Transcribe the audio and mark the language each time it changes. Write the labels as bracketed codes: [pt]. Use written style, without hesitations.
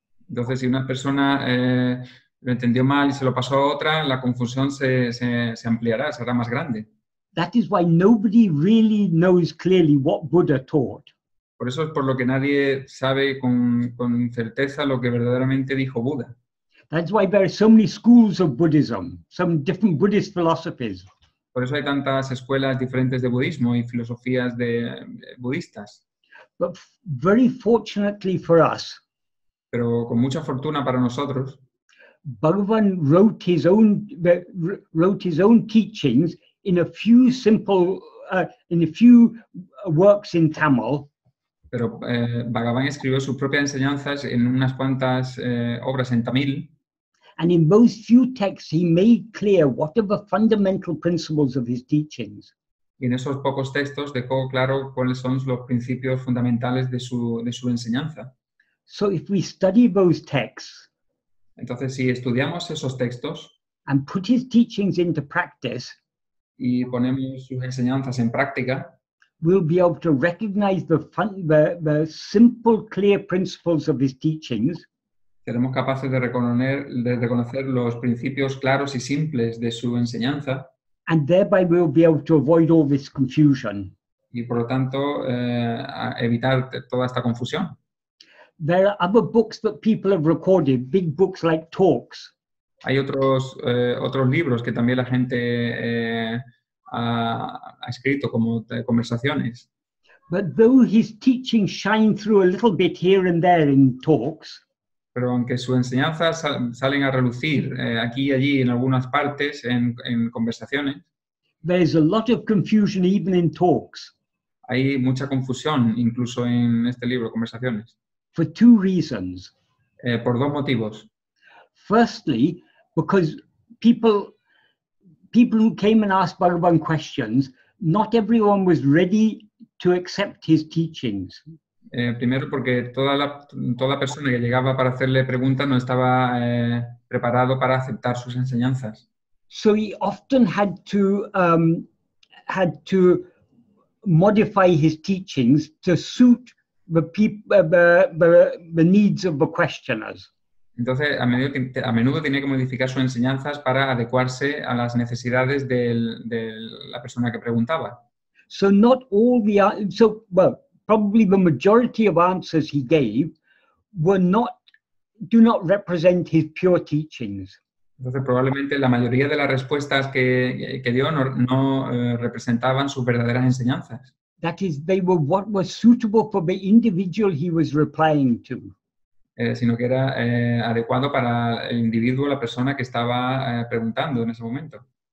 [es] Entonces, si una persona lo entendió mal y se lo pasó a otra, la confusión se ampliará, será más grande. [en] That is why nobody really knows clearly what Buddha taught. [es] Por eso es por lo que nadie sabe con certeza lo que verdaderamente dijo Buda. [en] That's why there are so many schools of Buddhism, some different Buddhist philosophies. [es] Por eso hay tantas escuelas diferentes de budismo y filosofías de budistas. [en] But very fortunately for us, [es] pero con mucha fortuna para nosotros, [en] Bhagavan wrote his own teachings in a few simple in a few works in Tamil. [es] Pero Bhagavan escribió sus propias enseñanzas en unas cuantas obras en Tamil. [en] And in those few texts he made clear what are the fundamental principles of his teachings. [es] Y en esos pocos textos dejó claro cuáles son los principios fundamentales de su enseñanza. [en] So if we study those texts, [es] entonces si estudiamos esos textos, [en] and put his teachings into practice, [es] y ponemos sus enseñanzas en práctica, [en] we'll be able to recognize the simple, clear principles of his teachings. [es] Seremos capaces de reconocer los principios claros y simples de su enseñanza, [en] and thereby we'll be able to avoid all this confusion. [es] Y por lo tanto, evitar toda esta confusión. [en] There are other books that people have recorded, big books like talks. [es] Hay otros libros que también la gente ha escrito como conversaciones. [en] But though his teaching shine through a little bit here and there in talks, [es] pero aunque su enseñanza salen a relucir aquí y allí en algunas partes en conversaciones, [en] there's a lot of confusion even in talks. [es] Hay mucha confusión incluso en este libro, conversaciones. [en] For two reasons. [es] Por dos motivos. [en] Firstly, because people who came and asked Bhagavan questions, not everyone was ready to accept his teachings. [es] Primero, porque toda persona que llegaba para hacerle preguntas no estaba preparado para aceptar sus enseñanzas. [en] So he often had to modify his teachings to suit the needs of the questioners. [es] Entonces, a menudo tiene que modificar sus enseñanzas para adecuarse a las necesidades de la persona que preguntaba. [en] So not all the so well, probably the majority of answers he gave were not do not represent his pure teachings. [es] Entonces, probablemente la mayoría de las respuestas que dio representaban sus verdaderas enseñanzas. [en] That is, they were what was suitable for the individual he was replying to. [es] Sino que era adecuado para el individuo, la persona que estaba preguntando en ese momento.